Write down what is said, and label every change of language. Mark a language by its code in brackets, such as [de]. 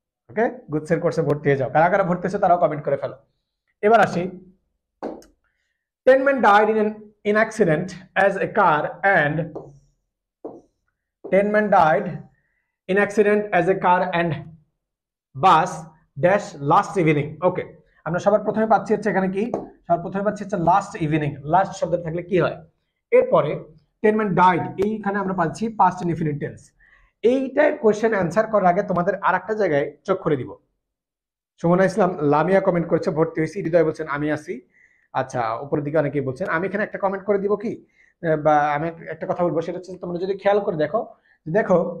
[bn] ওকে, গুচ্ছের কোর্সে ভর্তি হয়ে যাও, কারা কারা ভর্তি হয়েছে তারাও কমেন্ট করে ফেলো। এবার আসি, [en] 10 men died in an accident as a car and 10 men died in accident as a car and bus dash last evening. [bn] ওকে, আমরা সবার প্রথমে পাচ্ছি হচ্ছে এখানে কি, সবার প্রথমে পাচ্ছি হচ্ছে লাস্ট ইভিনিং, লাস্ট শব্দ থাকলে কি হয়, এরপরে [en] 10 men died [bn] এইখানে আমরা পাচ্ছি past infinite tense, এইটাই কোয়েশ্চেন অ্যান্সার করার আগে তোমাদের আর একটা জায়গায় চোখ খুলে দিব। সুমনা ইসলাম লামিয়া কমেন্ট করছে ভর্তি হয়েছি, হৃদয় বলছেন আমি আসি, আচ্ছা উপরের দিকে অনেকেই বলছেন, আমি এখানে একটা কমেন্ট করে দিব কি, বা আমি একটা কথা বলবো, সেটা হচ্ছে তোমরা যদি খেয়াল করে দেখো, দেখো